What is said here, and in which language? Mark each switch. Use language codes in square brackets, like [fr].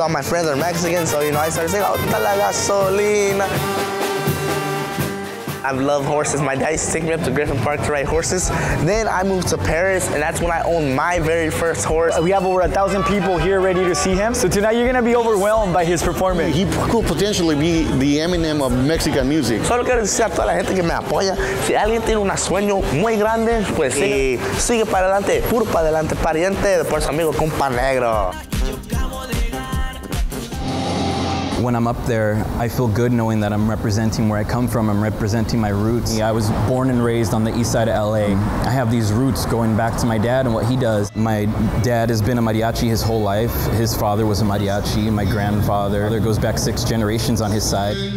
[en] All my friends are Mexican, so you know, I started singing, oh, la gasolina. I love horses. My dad used to take me up to Griffin Park to ride horses. Then I moved to Paris, and that's when I owned my very first horse. We have over 1,000 people here ready to see him. So tonight you're gonna be overwhelmed by his performance. He could potentially be the Eminem of Mexican music. [es] Solo quiero decir a toda la gente que me apoya. Si alguien tiene un sueño muy grande, pues sigue para adelante, puro para adelante, pariente, después amigo, compa negro. [en] When I'm up there, I feel good knowing that I'm representing where I come from. I'm representing my roots. I was born and raised on the east side of LA. I have these roots going back to my dad and what he does. My dad has been a mariachi his whole life. His father was a mariachi, my grandfather. There goes back 6 generations on his side.